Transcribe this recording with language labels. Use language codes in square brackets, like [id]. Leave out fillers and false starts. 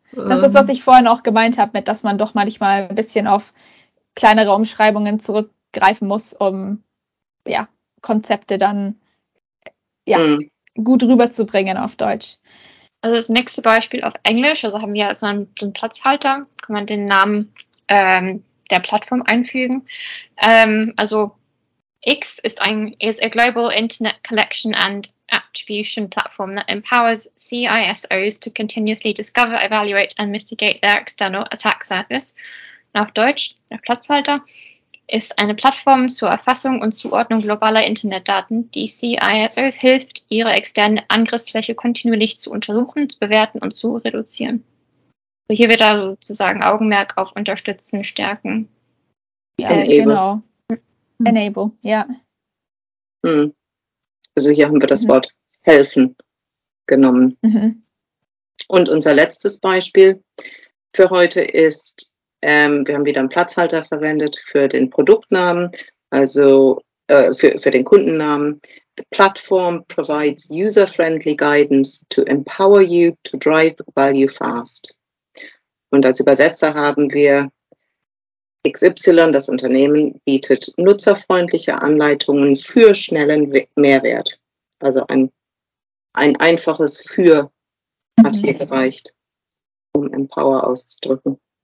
[de] Das ist, was ich vorhin auch gemeint habe, mit, dass man doch manchmal ein bisschen auf kleinere Umschreibungen zurückgreifen muss, um ja, Konzepte dann gut rüberzubringen auf Deutsch. Also das nächste Beispiel auf Englisch, also haben wir erstmal einen Platzhalter, kann man den Namen der Plattform einfügen. Also [en] X ist a global internet collection and attribution platform that empowers CISOs to continuously discover, evaluate and mitigate their external attack surface. [de] Und auf Deutsch, der Platzhalter, ist eine Plattform zur Erfassung und Zuordnung globaler Internetdaten, die CISOs hilft, ihre externe Angriffsfläche kontinuierlich zu untersuchen, zu bewerten und zu reduzieren. So, hier wird da sozusagen Augenmerk auf Unterstützen, Stärken. Ja, genau. Enable, ja. Also hier haben wir das Wort helfen genommen. Und unser letztes Beispiel für heute ist, wir haben wieder einen Platzhalter verwendet für den Produktnamen, also für den Kundennamen. [en] The platform provides user-friendly guidance to empower you to drive value fast. [de] Und als Übersetzer haben wir XY, das Unternehmen, bietet nutzerfreundliche Anleitungen für schnellen Mehrwert. Also ein einfaches Für hat hier gereicht, um Empower auszudrücken.